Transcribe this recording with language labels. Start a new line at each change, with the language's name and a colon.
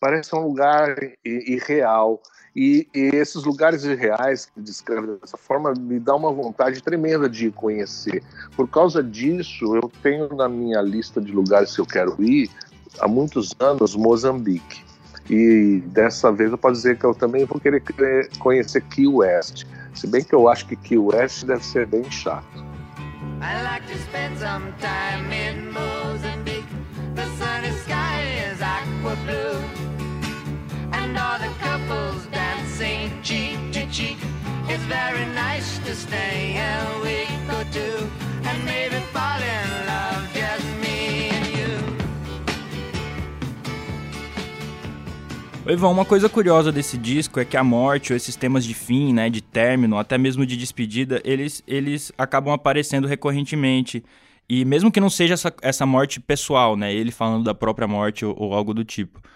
Portuguese: Parece um lugar irreal. E esses lugares irreais que descreve dessa forma me dá uma vontade tremenda de conhecer. Por causa disso, eu tenho na minha lista de lugares que eu quero ir há muitos anos Moçambique. E dessa vez eu posso dizer que eu também vou querer conhecer Key West. Se bem que eu acho que Key West deve ser bem chato.
English: I like to spend some time in Moçambique. The sunny sky is aqua blue. And all the couples dancing cheek to cheek. It's very nice to stay a week or two. And maybe fall in love just me.
Portuguese: Oi, Ivan, uma coisa curiosa desse disco é que a morte, ou esses temas de fim, né, de término, até mesmo de despedida, eles acabam aparecendo recorrentemente. E mesmo que não seja essa morte pessoal, né, ele falando da própria morte ou algo do tipo.